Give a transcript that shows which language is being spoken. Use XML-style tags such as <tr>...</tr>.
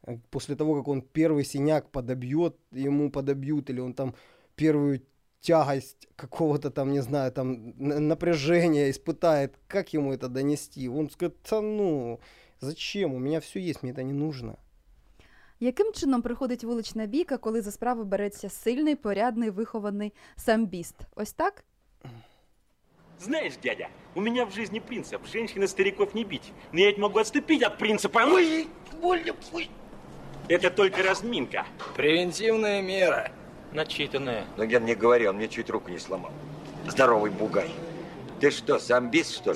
<ru>После того, как он первый синяк подобьет, ему подобьют, или он там первую тягость какого-то там, не знаю, там напряжения испытает, как ему это донести? Он скажет, да ну, зачем? У меня все есть, мне это не нужно.</ru> <uk>Яким чином приходить вулична бійка, коли за справу береться сильний, порядний, вихований самбіст? Ось так?</uk> <ru>Знаешь, дядя, у меня в жизни принцип. Женщины стариков не бить. Но я ведь могу отступить от принципа. Ой, больно, ой. Это только разминка. Превентивная мера. Начитанная. Но Ген не говори, он мне чуть руку не сломал. Здоровый бугай. Ты что, самбист, что ли?</ru>